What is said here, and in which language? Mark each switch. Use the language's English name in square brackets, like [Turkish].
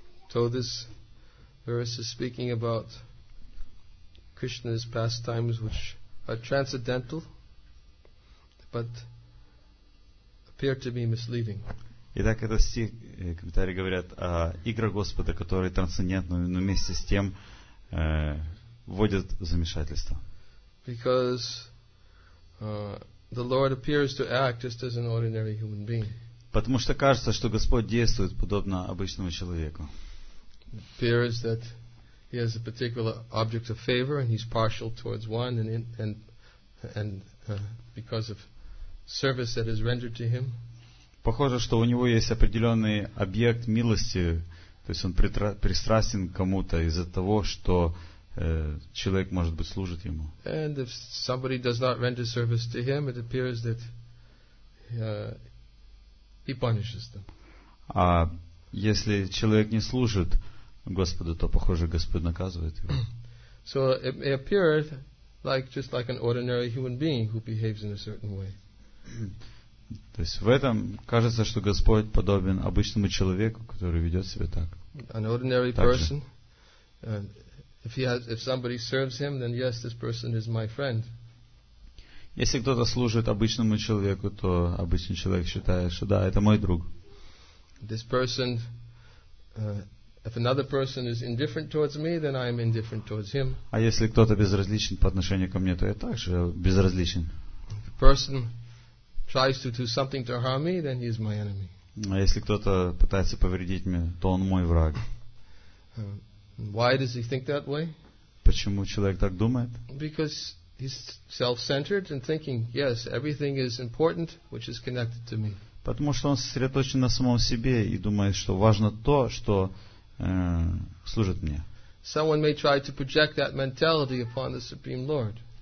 [English] So this verse is speaking about Krishna's pastimes, which are transcendental but appear to be misleading. [Russian] Итак, этот стих, комментарии говорят о играх Господа, которые трансцендентны, но вместе с тем вводят в замешательство. [English] Because the Lord appears to act just as an ordinary human being. [Russian] Потому что кажется, что Господь действует подобно обычному человеку. [English] It appears that he has a particular object of favor and he's partial towards one and because of service that is rendered to him. [Russian] Похоже, что у него есть определенный объект милости, то есть он пристрастен к кому-то из-за того, что человек, может быть, служит ему. [English] And if somebody does not render service to him, it appears that he punishes them. [Russian] А если человек не служит Господу, то, похоже, Господь наказывает его. [English] So it may appear like just like an ordinary human being who behaves in a certain way. [Russian] То есть в этом кажется, что Господь подобен обычному человеку, который ведет себя так. [English] An ordinary person, if somebody serves him, then yes, this person is my friend. [Russian] Если кто-то служит обычному человеку, то обычный человек считает, что да, это мой друг. [English] This person, if another person is indifferent towards me, then I am indifferent towards him. [Russian] А если кто-то безразличен по отношению ко мне, то я также безразличен. [English] Person tries to do something to harm me, then he is my enemy. [Russian] А если кто-то пытается повредить мне, то он мой враг. [English] Why does he think that way? [Russian] Почему человек так думает? [English] Because he's self-centered and thinking, yes, everything is important which is connected to me. [Russian] Потому что он сосредоточен на самом себе и думает, что важно то, что служит мне. [English] Someone may try to project that mentality upon the Supreme Lord.